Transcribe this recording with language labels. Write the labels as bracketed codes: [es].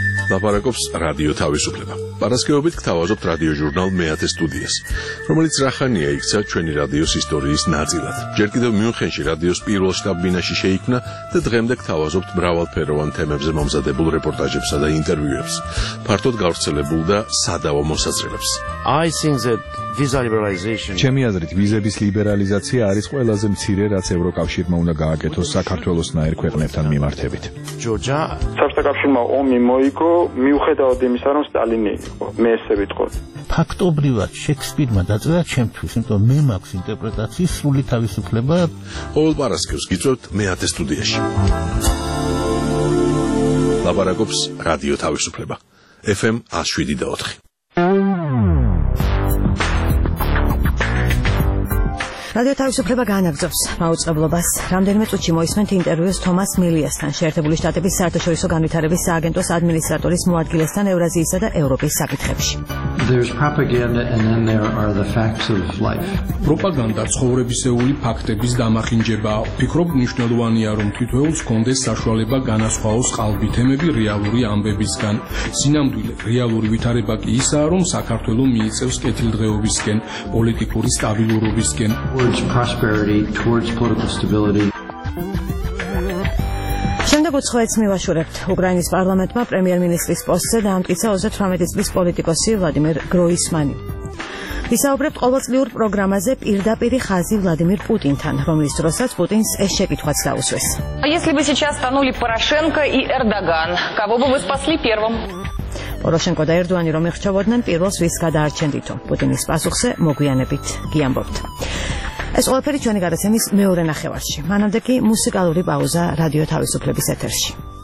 [ka] ლაპარაკობს რადიო თავისუფლება. პარასკევობით გთავაზობთ რადიოჟურნალ მეათე სტუდიას, რომელიც რახანია იქცა ჩვენი რადიოს ისტორიის ნაწილად. ჯერ კიდევ მიუნხენში რადიოს პირველ შტაბ-ბინაში შეიქმნა და დღემდე გთავაზობთ მრავალფეროვან თემებზე მომზადებულ რეპორტაჟებსა და ინტერვიუებს, ფართოდ გავრცელებულ და სადავო მოსაზრებებს. [en] I think that visa liberalization. [ka] ჩემი აზრით, ვიზების ლიბერალიზაცია არის ყველაზე მცირე, რაც ევროკავშირმა უნდა გააკეთოს საქართველოს ნაერ ქვეყნებთან მიმართებით. ჯოჯა, საქართველოსმა ომი მოიგო, მიუხედავად იმისა, რომ სტალინი იყო. მე ესე ვიტყოდ. ფაქტობრივად შექსპირმა დაწერა ჩემთვის, იმიტომ მე მაქვს ინტერპრეტაციის სრული თავისუფლება. ყოველ პარასკევს გიწევთ მეათე სტუდიაში. ლაპარაკობს რადიო თავისუფლება. FM 107.4. რადიო თავისუფლება განაგზავს მაუწყებლობას. რამდენიმე წუთში მოისმენთ ინტერვიუს თომას მილიასთან, შეერთებული შტატების საერთაშორისო განვითარების სააგენტოს ადმინისტრატორის მოადგილესთან ევრაზიისა და ევროპის საკითხებში. [en] There's propaganda and then there are the facts of life. [ka] Propaganda ცხოვრებისეული ფაქტების დამახინჯება. ფიქრობ, მნიშვნელოვანია, რომ თითოეულს კონდეს საშუალება განასხვავოს ყალბი თემები რეალური ამბებისგან. სინამდვილე, რეალური ვითარება კი ისაა, რომ საქართველო მიიწევს კეთილდღეობისკენ, პოლიტიკური სტაბილურობისკენ. [en] Towards prosperity, towards political stability. [ka] შემდეგ უცხოეთს მივაშურებთ. უკრაინის პარლამენტმა პრემიერ-მინისტრის პოსტზე დაამტკიცა 38 წლის პოლიტიკოსი ვლადიმერ გროისმანი. ვისაუბრებთ ყოველწლიურ პროგრამაზე პირდაპირი ხაზი ვლადიმერ პუტინთან, რომლის დროსაც პუტინს ეს შეკითხვაც დაუსვეს. [ru] Если бы сейчас станули Порошенко и Эрдоган, кого бы вы спасли первым? [ka] Порошенко და ერდოანი რომ ერთხოვდნენ პირველს ვის გადაარჩენდითო? პუტინის პასუხზე მოგვიანებით გიამბობთ. ეს ყველაფერი ჩვენი გადაცემის მეორე ნახევარში. მანამდე კი მუსიკალური პაუზა რადიო თავისუფლების ეთერში.